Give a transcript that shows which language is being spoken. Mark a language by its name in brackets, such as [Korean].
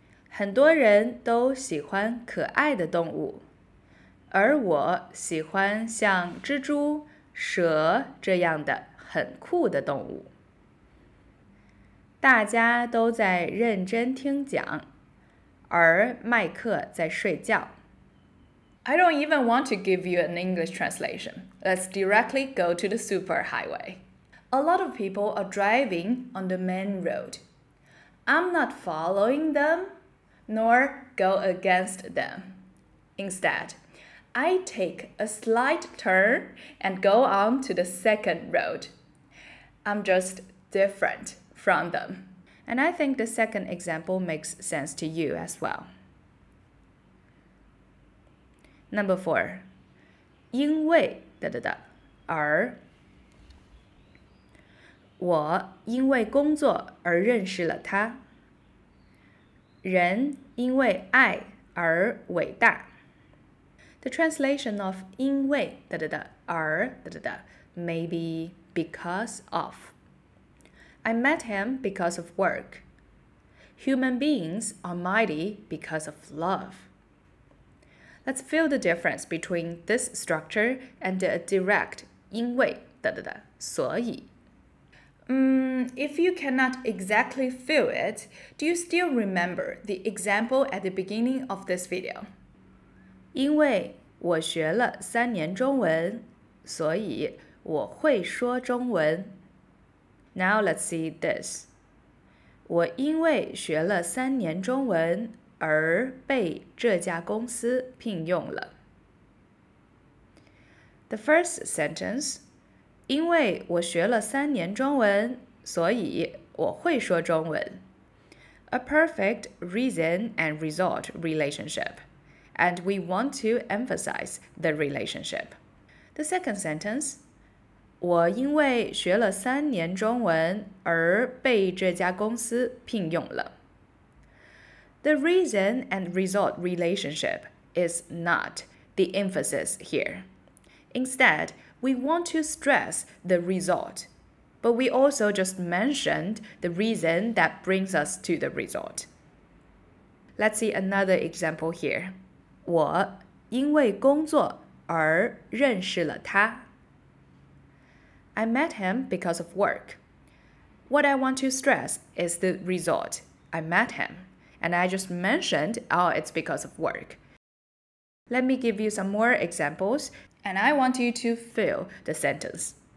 [Chinese] 很多人都喜欢可爱的动物。而我喜欢像蜘蛛、蛇这样的很酷的动物。大家都在认真听讲，而麦克在睡觉。 [English] I don't even want to give you an English translation. Let's directly go to the superhighway. A lot of people are driving on the main road. I'm not following them, nor go against them. Instead,I take a slight turn and go on to the second road. I'm just different from them. And I think the second example makes sense to you as well. Number four. [Chinese] 因为哒哒哒而我因为工作而认识了他。人因为爱而伟大。 [English] The translation of [Chinese] 因为哒哒哒而哒哒哒 [English] maybe because of. I met him because of work. Human beings are mighty because of love. Let's feel the difference between this structure and the direct [Chinese] 因为哒哒哒所以 [English] If you cannot exactly feel it, do you still remember the example at the beginning of this video? [Chinese] 因为我学了三年中文，所以我会说中文。 [English] Now let's see this. [Chinese] 我因为学了三年中文而被这家公司聘用了。 [English] The first sentence. [Chinese] 因为我学了三年中文，所以我会说中文。 [English] A perfect reason and result relationship. And we want to emphasize the relationship. The second sentence, [Chinese] 我因为学了三年中文而被这家公司聘用了。 [English] The reason and result relationship is not the emphasis here. Instead, we want to stress the result, but we also just mentioned the reason that brings us to the result. Let's see another example here. [Chinese] 我因为工作而认识了他。 [English] I met him because of work. What I want to stress is the result. I met him. And I just mentioned, oh, it's because of work. Let me give you some more examples. And I want you to feel the sentence.